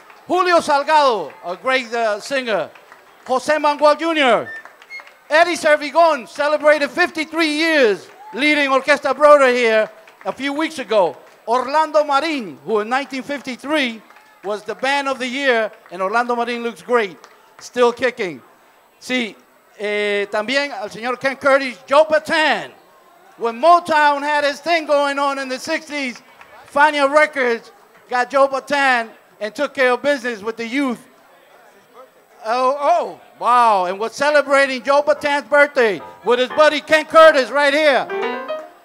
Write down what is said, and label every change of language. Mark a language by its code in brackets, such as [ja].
[en] Julio Salgado, a great singer. Jose Manuel Jr. Eddie Servigón celebrated 53 years leading Orquesta Broadway here a few weeks ago. Orlando Marin, who in 1953 was the band of the year, and Orlando Marin looks great, still kicking. [es] Sí, también al señor Ken Curtis, Joe Patan. [en] When Motown had his thing going on in the 60s, Fania Records got Joe Patan and took care of business with the youth. Wow. And we're celebrating Joe Patan's birthday with his buddy Ken Curtis right here.